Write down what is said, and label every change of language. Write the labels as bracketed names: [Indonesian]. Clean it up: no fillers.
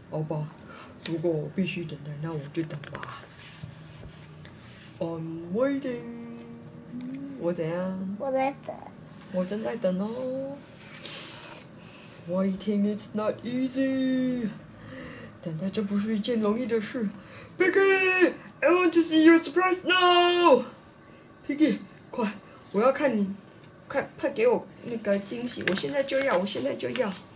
[Chinese] 好吧，如果我必须等待，那我就等吧。 [English] I'm waiting. [Chinese] 我怎样？我在等。我正在等哦。 [English] Waiting is not easy. [Chinese] 等待这不是一件容易的事。 [English] Piggy, I want to see your surprise now. [Chinese] Piggy, 快，我要看你，快派给我那个惊喜，我现在就要，我现在就要。